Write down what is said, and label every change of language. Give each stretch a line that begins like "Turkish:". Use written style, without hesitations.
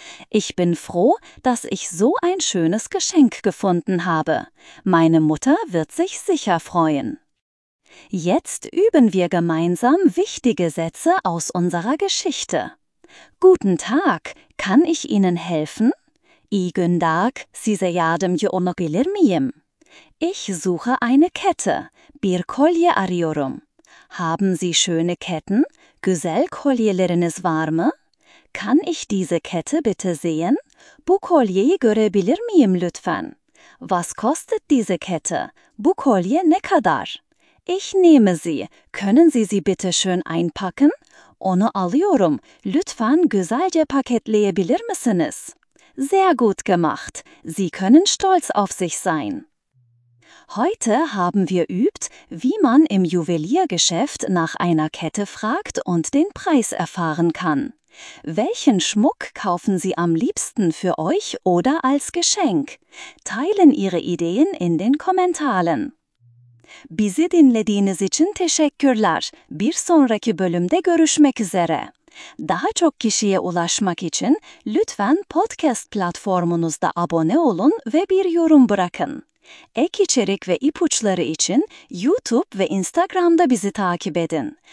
German: Ich bin froh, dass ich so ein schönes Geschenk gefunden habe. Meine Mutter wird sich sicher freuen. Jetzt üben wir gemeinsam wichtige Sätze aus unserer Geschichte. Guten Tag, kann ich Ihnen helfen?
Turkish: Igün dag, size yardım olabilir miyim?
German: Ich suche eine Kette.
Turkish: Bir kolye arıyorum.
German: Haben Sie schöne Ketten?
Turkish: Güzel kolyeleriniz var mı?
German: Kann ich diese Kette bitte sehen?
Turkish: Bu kolyeyi görebilir miyim lütfen?
German: Was kostet diese Kette?
Turkish: Bu kolye ne kadar?
German: Ich nehme sie. Können Sie sie bitte schön einpacken?
Turkish: Onu alıyorum. Lütfen güzelce paketleyebilir misiniz?
German: Sehr gut gemacht. Sie können stolz auf sich sein. Heute haben wir übt, wie man im Juweliergeschäft nach einer Kette fragt und den Preis erfahren kann. Welchen Schmuck kaufen Sie am liebsten für euch oder als Geschenk? Teilen Ihre Ideen in den Kommentaren.
Turkish: Bizi dinlediğiniz için teşekkürler. Bir sonraki bölümde görüşmek üzere. Daha çok kişiye ulaşmak için lütfen podcast platformunuzda abone olun ve bir yorum bırakın. Ek içerik ve ipuçları için YouTube ve Instagram'da bizi takip edin.